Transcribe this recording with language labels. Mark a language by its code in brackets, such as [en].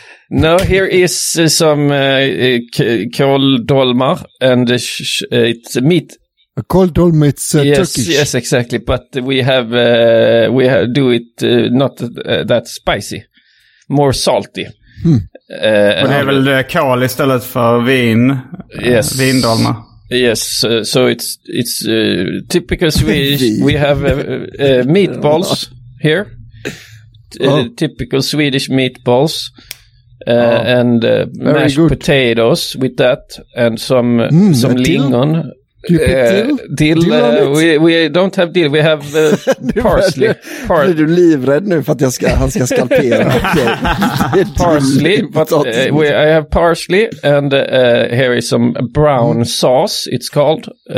[en] No, here is some koldolmar, and it's meat. A cold dolma, it's yes, Turkish. Yes, exactly. But we have do it not that spicy, more salty. [sv] Men det är väl kol istället för vin. [en] Yes, [sv] vin dolma. [en] Yes, so it's typical Swedish. We have meatballs here. Typical Swedish meatballs. And mashed potatoes with that, and some lingon. Dill, we don't have dill, we have parsley. [sv] Är du livrädd nu för att han ska skalpera? [en] Okay. Parsley, but I have parsley, and here is some brown sauce, it's called.